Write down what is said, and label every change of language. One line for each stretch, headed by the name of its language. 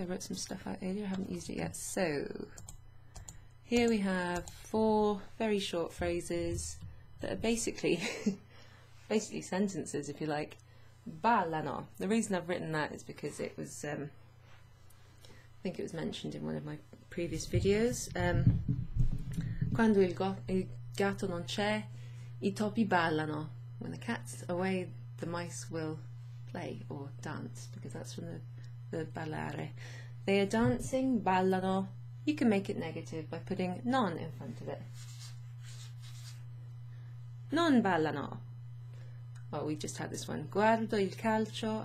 English: I wrote some stuff out earlier. I haven't used it yet. So here we have four very short phrases that are basically, basically sentences, if you like. Ballano. The reason I've written that is because it was, I think it was mentioned in one of my previous videos.
Italian: Quando il gatto non c'è, I topi ballano.
English: When the cat's away, the mice will play or dance, because that's from the ballare. They are dancing, ballano. You can make it negative by putting non in front of it.
Italian: Non ballano.
English: Oh, we just had this one.
Italian: Guardo il calcio.